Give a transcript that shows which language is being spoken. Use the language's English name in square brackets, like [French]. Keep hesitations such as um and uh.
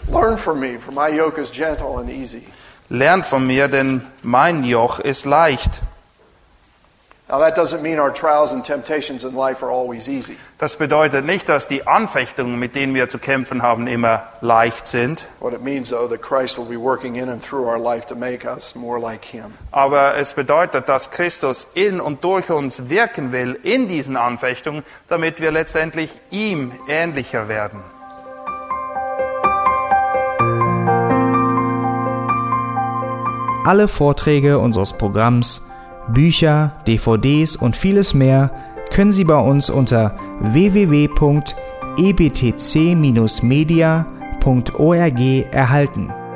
[English] Learn [German] Lernt von mir, denn mein Joch ist leicht. Das bedeutet nicht, dass die Anfechtungen, mit denen wir zu kämpfen haben, immer leicht sind. [English] What it means though that Christ will be working in and through our life to make us more like him. [German] Aber es bedeutet, dass Christus in und durch uns wirken will in diesen Anfechtungen, damit wir letztendlich ihm ähnlicher werden. Alle Vorträge unseres Programms Bücher, DVDs und vieles mehr können Sie bei uns unter www.ebtc-media.org erhalten.